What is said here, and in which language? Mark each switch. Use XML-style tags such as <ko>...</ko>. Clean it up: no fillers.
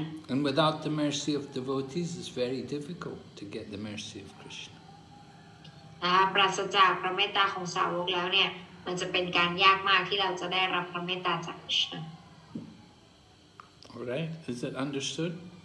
<en>And without the mercy of devotees, it's very difficult to get the mercy of Krishna.</en> <th>ปราศจากพระเมตตาของสาวกแล้วเนี่ยมันจะเป็นการยากมากที่เราจะได้รับพระเมตตาจากคริสต์</th> <en>All right, is it understood?</en>